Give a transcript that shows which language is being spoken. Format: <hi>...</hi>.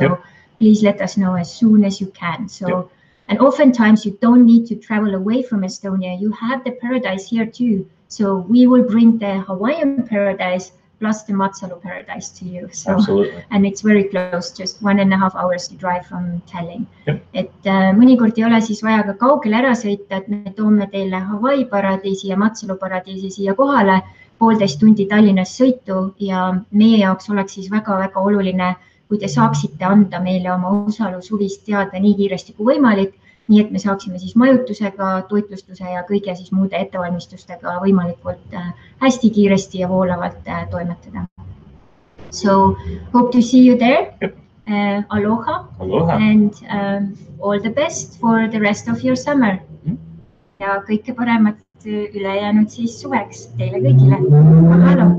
<en>So please let us know as soon as you can. So and oftentimes you don't need to travel away from Estonia. You have the paradise here too. So we will bring the Hawaiian paradise plus the Matsalu paradise to you. So, absolutely. And it's very close, just 1.5 hours to drive from Tallinn. Yep.</en> <et>Et mõnikord ei ole siis vaja ka kaugel ära sõita, et me toome teile Hawaii paradiisi ja Matsalu paradiisi siia kohale 1.5 tundi Tallinnas sõitu ja meie jaoks oleks siis väga, väga oluline, kui te saaksite anda meile oma osalusuvist teada nii kiiresti kui võimalik, nii et me saaksime siis majutusega, toitlustuse ja kõige siis muude ettevalmistustega võimalikult hästi kiiresti ja voolavalt toimetada.</et> <en>So, hope to see you there. Aloha. Aloha. And all the best for the rest of your summer.</en> <et>Ja kõike paremat ülejäänud siis suveks teile kõigile. Mahalo.</et>